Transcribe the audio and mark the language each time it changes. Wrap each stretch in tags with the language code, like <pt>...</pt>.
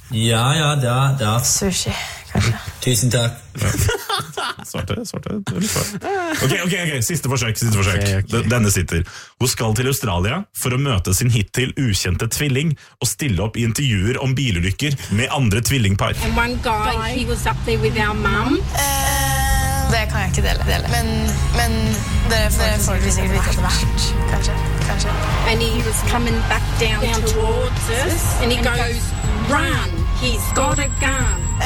<no>Ja, ja, da, da. Sushi, kanskje. Tusen takk. Svarte. Ok, siste forsøk. Okay, okay. Denne sitter. Hun skal til Australia for å møte sin hittil ukjente tvilling og stille opp i intervjuer om bilulykker med andre tvillingpar.</no> <en>And one guy, he was up there with our mom.</en> <no>Det kan jeg ikke dele. Men dere får det sikkert vite etter hvert. Kanskje.</no> <en>And he was coming back down towards us, and he goes, run, he's got a gun.</en>